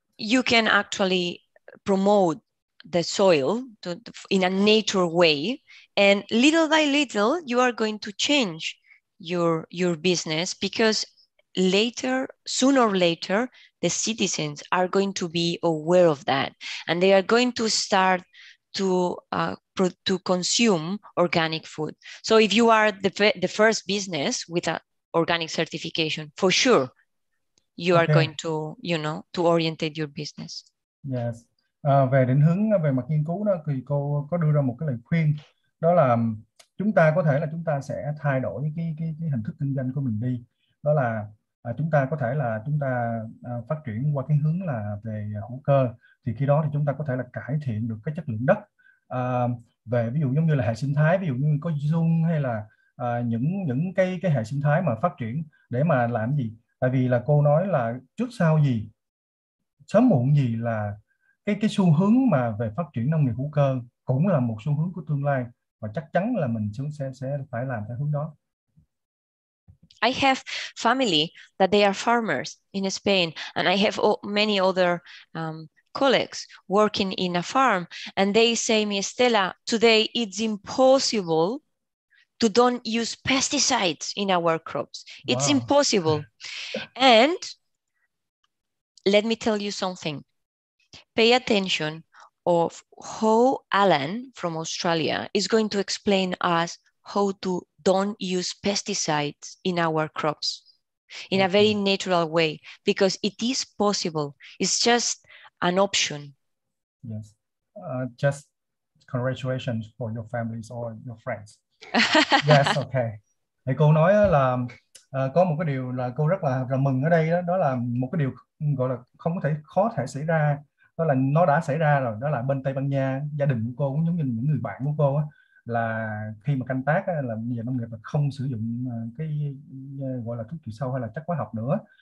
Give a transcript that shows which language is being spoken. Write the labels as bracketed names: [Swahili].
[English] you can actually promote the soil in a nature way, and little by little you are going to change your business, because sooner or later the citizens are going to be aware of that and they are going to start to consume organic food. So if you are the first business with a organic certification, for sure you are going to, you know, to orientate your business. Yes. [Vietnamese] Về định hướng về mặt nghiên cứu đó, thì cô có đưa ra một cái lời khuyên, đó là chúng ta có thể là chúng ta sẽ thay đổi cái hình thức kinh doanh của mình đi, đó là chúng ta có thể là chúng ta phát triển qua cái hướng là về hữu cơ, thì khi đó thì chúng ta có thể là cải thiện được cái chất lượng đất, về ví dụ giống như là hệ sinh thái, ví dụ như có dung hay là những cái hệ sinh thái mà phát triển để mà làm gì. Tại vì là cô nói là trước sau gì, sớm muộn gì là cái xu hướng mà về phát triển nông nghiệp hữu cơ cũng là một xu hướng của tương lai, và chắc chắn là mình sẽ phải làm theo hướng đó. [English] I have family that they are farmers in Spain, and I have many other colleagues working in a farm, and they say me, Stella, today it's impossible to don't use pesticides in our crops. It's wow. Impossible. And let me tell you something. Pay attention of how Alan from Australia is going to explain us how to don't use pesticides in our crops in a very natural way, because it is possible. It's just an option. Yes. Just congratulations for your families or your friends. Yes, okay. [Vietnamese] Thì cô nói là có một cái điều là cô rất là mừng ở đây đó, đó là một cái điều gọi là không có thể khó thể xảy ra, đó là nó đã xảy ra rồi, đó là bên Tây Ban Nha, gia đình của cô cũng giống như những người bạn của cô á, là khi mà canh tác á, là bây giờ nông nghiệp là không sử dụng cái gọi là thuốc trừ sâu hay là chất hóa học nữa.